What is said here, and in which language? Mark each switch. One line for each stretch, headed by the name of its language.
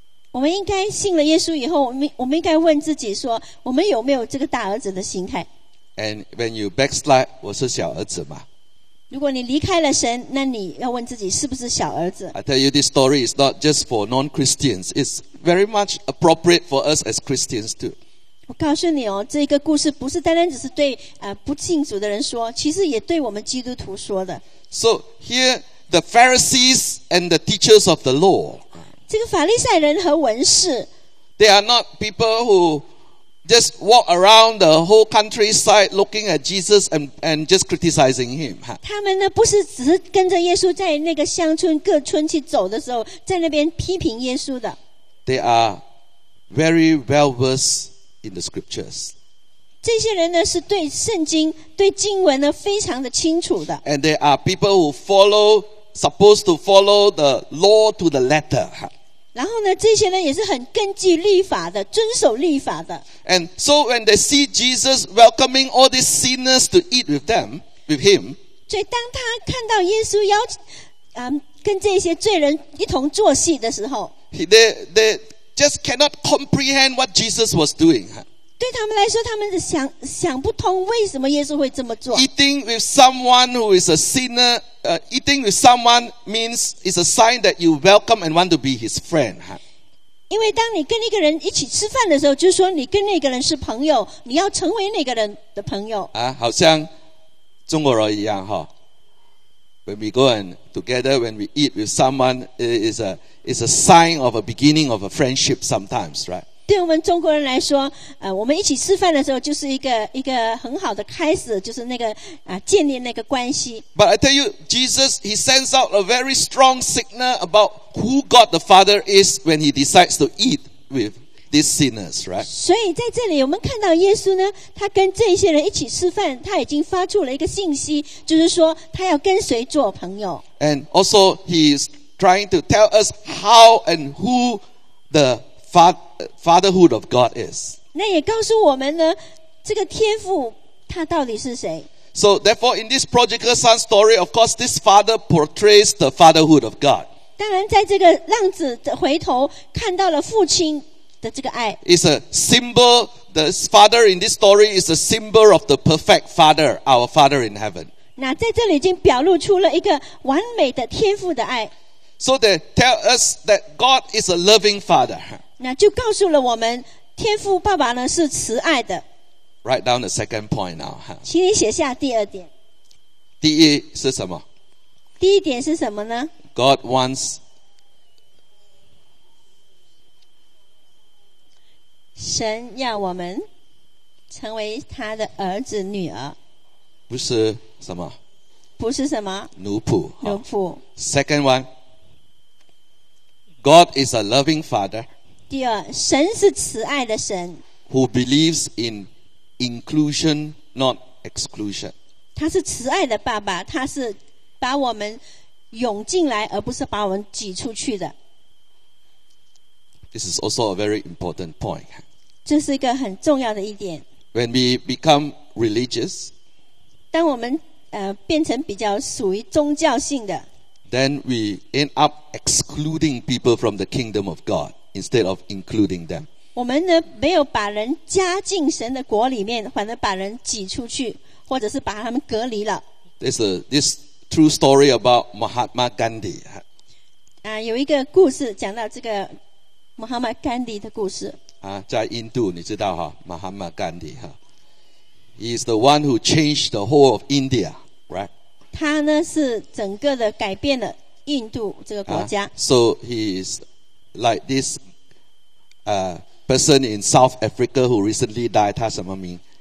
Chinese: 我们应该信了耶稣以后，我们应该问自己说，我们有没有这个大儿子的心态
English: ？And when you backslide,
Chinese: 我是小儿子吗？如果你离开了神，那你要问自己是不是小儿子
English: ？I tell you this story is not just for non-Christians; it's very much appropriate for us as Christians too.
Chinese: 我告诉你哦，这个故事不是单单只是对不信主的人说，其实也对我们基督徒说的。
English: So here. The Pharisees and the teachers of the law.
Chinese: 这个法利赛人和文士
English: They are not people who just walk around the whole countryside looking at Jesus and just criticizing him.
Chinese: 他们呢不是只是跟着耶稣在那个乡村各村去走的时候在那边批评耶稣的
English: They are very well versed in the scriptures.
Chinese: 这些人呢是对圣经对经文呢非常的清楚的
English: And they are people who followSupposed to follow the law to the letter.
Chinese: 然后呢，这些人也是很根据律法的，遵守律法的。
English: And so when they see Jesus welcoming all these sinners to eat with them, with him,
Chinese: 所以当他看到耶稣邀跟这些罪人一同坐席的时候
English: ，they just cannot comprehend what Jesus was doing.
Chinese: 对他们来说，他们想不通为什么耶稣会这么做。
English: Eating with someone who is a sinner. Eating with someone means it's a sign that you welcome and want to be his friend.
Chinese: 因为当你跟一个人一起吃饭的时候，就是说你跟那个人是朋友，你要成为那个人的朋友。啊，好像中国人一样哈。
English: When we go and together, when we eat with someone, it's a sign of a beginning of a friendship. Sometimes, right?
Chinese: 对我们中国人来说，我们一起吃饭的时候就是一个很好的开始，就是那个建立那个关系。
English: But I tell you, Jesus, he sends out a very strong signal about who God the Father is when he decides to eat with these sinners, right?
Chinese: 所以在这里，我们看到耶稣呢，他跟这些人一起吃饭，他已经发出了一个信息，就是说他要跟谁做朋友。
English: And also, he is trying to tell us how and who the fatherhood of God is.
Chinese: 那也告诉我们呢，这个天父他到底是谁
English: ？So therefore, in this prodigal son story, of course, this father portrays the fatherhood of God.
Chinese: 当然，在这个浪子的回头看到了父亲的这个爱。
English: It's a symbol. The father in this story is a symbol of the perfect father, our Father in heaven.
Chinese: 那在这里已经表露出了一个完美的天父的爱。
English: So they tell us that God is a loving father.
Chinese: 那就告诉了我们，天父爸爸呢是慈爱的。
English: Write down the second point now.
Chinese: 请你写下第二点。第一是什么？第一点是什么呢
English: ？God wants
Chinese: 神要我们成为他的儿子女儿。不是什么？不是什么？奴仆。
English: Second one. God is a loving father.
Chinese: 第二，神是慈爱的神。
English: Who believes in inclusion, not exclusion.
Chinese: 他是慈爱的爸爸，他是把我们涌进来，而不是把我们挤出去的。
English: This is also a very important point.
Chinese: 这是一个很重要的一点。
English: When we become religious,
Chinese: 当我们变成比较属于宗教性的，
English: then we end up excluding people from the kingdom of God instead of including them.
Chinese: 我们呢没有把人加进神的国里面，反而把人挤出去，或者是把他们隔离了。
English: This true story about Mahatma Gandhi.
Chinese: 有一个故事讲到这个Mahatma Gandhi 的故事。在印度你知道哈
English: Mahatma Gandhi, he is the one who changed the whole of India, right?
Chinese: 他呢是整个的改变了印度这个国家。
English: So he is like this person in South Africa who recently died,
Chinese: 他什么名？